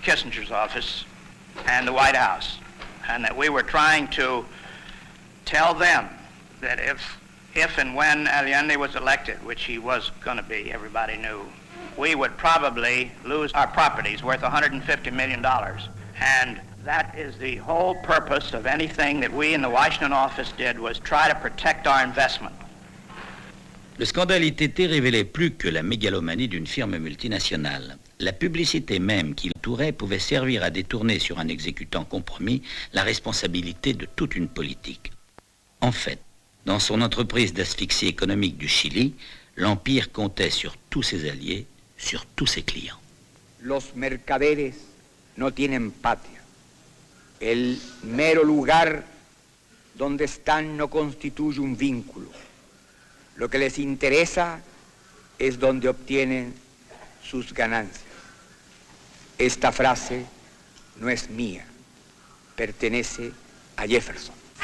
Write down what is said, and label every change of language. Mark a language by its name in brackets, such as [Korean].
[English] Kissinger's office and the White House, and that we were trying to tell them that if and when Allende was elected, which he was going to be, everybody knew, we would probably lose our properties worth $150 million. And that is the whole purpose of anything that we in the Washington office did, was try to protect our investment. [French] Le scandale ITT révélait plus que la mégalomanie d'une firme multinationale. La publicité même qui l'entourait pouvait servir à détourner sur un exécutant compromis la responsabilité de toute une politique. En fait, dans son entreprise d'asphyxie économique du Chili, l'Empire comptait sur tous ses alliés, sur tous ses clients. [Spanish] Los mercaderes no tienen patria. El mero lugar donde están no constituye un vínculo. Lo que les interesa es donde obtienen sus ganancias. Esta frase no es mía, pertenece a Jefferson.